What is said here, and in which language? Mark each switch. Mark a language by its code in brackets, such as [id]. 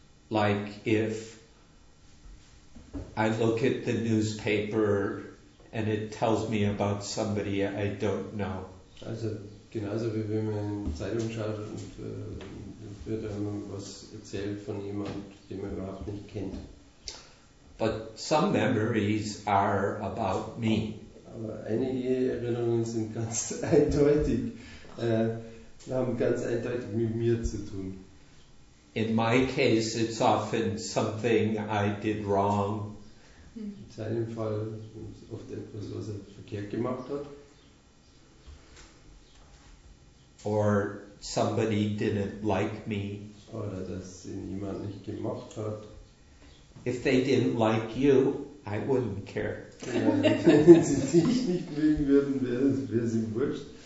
[en] Like if I look at the newspaper and it tells me about somebody I don't know. [de] Also genauso wie wenn man in die Zeitung schaut und wird einem was erzählt von jemandem, den man überhaupt nicht kennt. [en] But some memories are about me. [de] Aber einige Erinnerungen sind ganz eindeutig, haben ganz eindeutig mit mir zu tun. [en] In my case, it's often something I did wrong. [de] In seinem Fall ist oft etwas, was er verkehrt gemacht hat. [en] Or somebody didn't like me. [de] Oder dass ihn jemand nicht gemacht hat. [en] If they didn't like you, I wouldn't care. [de] Wenn sie dich nicht mögen würden, wäre es ihm wurscht.